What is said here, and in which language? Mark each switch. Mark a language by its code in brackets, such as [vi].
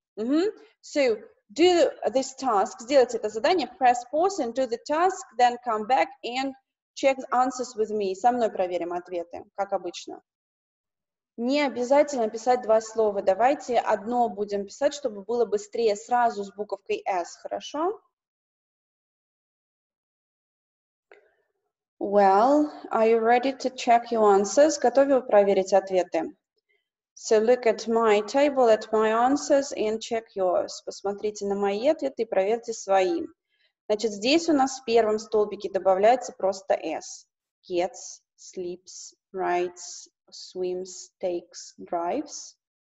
[en] Mm-hmm. So, do this task, [ru] сделайте это задание, [en] press pause and do the task, then come back and check answers with me. [ru] Со мной проверим ответы, как обычно. Не обязательно писать два слова. Давайте одно будем писать, чтобы было быстрее сразу с буковкой S, хорошо? [en] Well, are you ready to check your answers? [ru] Готовы проверить ответы? [en] So look at my table, at my answers and check yours. [ru] Посмотрите на мои ответы и проверьте свои. Значит, здесь у нас в первом столбике добавляется просто S. [en] Gets, sleeps, writes, swims, takes, drives.